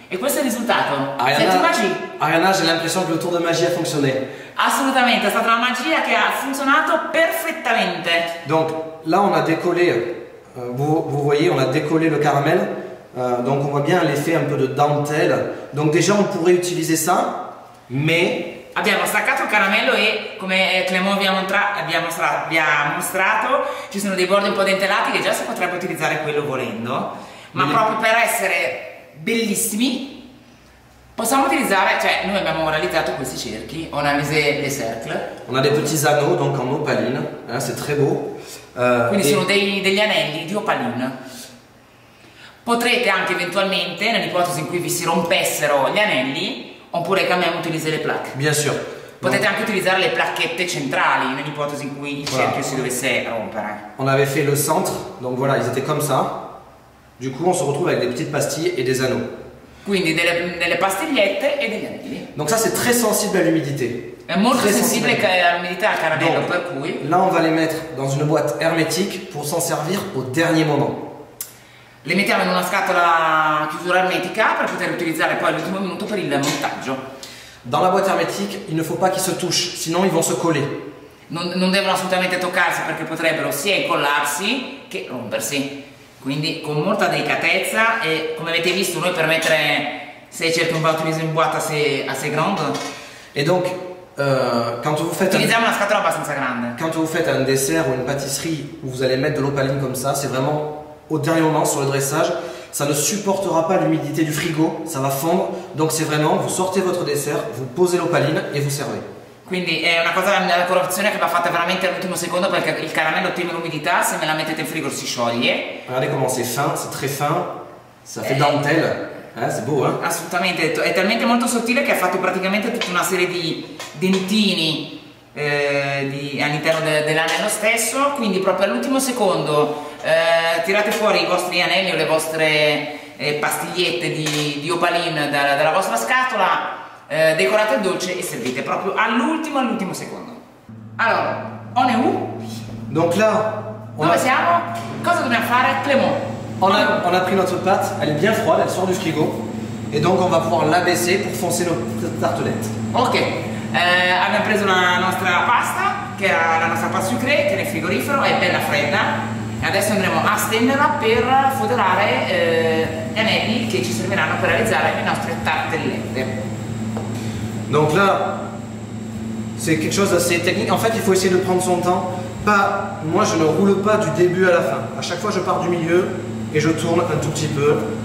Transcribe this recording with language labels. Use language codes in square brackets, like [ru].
[it] E questo è il risultato. [fr] Arianna, j'ai l'impression che il tour de magie a fonctionné. [it] Assolutamente, è stata la magia che ha funzionato perfettamente. [fr] Donc là on a décollé, vous voyez, on a décollé le caramel. Donc on voit bien l'effet un peu de dentelle. Donc déjà on pourrait utiliser ça, mais [it] abbiamo staccato il caramello e come Clément vi ha mostrato, ci sono dei bordi un po' dentellati che già si potrebbe utilizzare quello volendo, ma proprio per essere bellissimi possiamo utilizzare, cioè noi abbiamo realizzato questi cerchi, [fr] on a mis les cercles. On a des petits anneaux, donc en opaline, c'est très beau. [it] Quindi sono degli anelli di opaline. Potrete anche eventualmente, nell'ipotesi in cui vi si rompessero gli anelli, oppure cambiamo utilizzare le placche. [fr] Bien sûr. [it] Potete donc, anche utilizzare le placchette centrali, nell'ipotesi in cui il cerchio si dovesse rompere. [fr] On avait fait le centre, donc voilà, ils étaient comme ça. Du coup, on se retrouve avec des petites pastilles et des anneaux. [it] Quindi delle pastigliette e degli anelli. [fr] Donc ça c'est très sensible à l'humidité. [it] È molto sensibile all'umidità al caramello, per cui [fr] là on va les mettre dans une boîte hermétique pour s'en servir au dernier moment. [it] Le mettiamo in una scatola chiusura ermetica per poter utilizzare poi all'ultimo minuto per il montaggio. [fr] Dans la boîte hermétique, il ne faut pas qu'ils se touchent, sinon ils vont se coller. [it] Non devono assolutamente toccarsi perché potrebbero sia incollarsi che rompersi. Quindi con molta delicatezza e come avete visto noi per mettere sei cerchi un po' utilizzo in [fr] boîte assez grande. E donc quand vous faites [it] utilizziamo una scatola abbastanza grande. [fr] Quand vous faites un dessert ou une pâtisserie où vous allez mettre de l'opaline comme ça, c'est vraiment au dernier moment sur le dressage, ça ne supportera pas l'humidité du frigo, ça va fondre. Donc c'est vraiment vous sortez votre dessert, vous posez l'opaline et vous servez. [it] Quindi è una cosa della colorazione che va fatta veramente all'ultimo secondo perché il caramello ottiene l'umidità, se me la mettete in frigo si scioglie. Guardate come [fr] c'è fin, c'è très fin, ça fait dentelle, c'è beau, eh? [it] Assolutamente, è talmente molto sottile che ha fatto praticamente tutta una serie di dentini all'interno dell'anello stesso, quindi proprio all'ultimo secondo tirate fuori i vostri anelli o le vostre pastigliette di opaline dalla vostra scatola. Decorate il dolce e servite proprio all'ultimo secondo. [fr] Allora, on est où? Donc là, [it] dove siamo? Cosa dobbiamo fare? Clément, [fr] on a pris notre pâte, elle est bien froide, elle sort du frigo, et donc on va pouvoir l'abaisser pour foncer notre tartelette. [it] Ok, abbiamo preso la nostra pasta, che era la nostra pasta sucrée, che è nel frigorifero, è bella fredda, e adesso andremo a stenderla per foderare gli anelli che ci serviranno per realizzare le nostre tartellette. [fr] Donc là, c'est quelque chose d'assez technique. En fait, il faut essayer de prendre son temps. Moi, je ne roule pas du début à la fin. À chaque fois, je pars du milieu et je tourne un tout petit peu.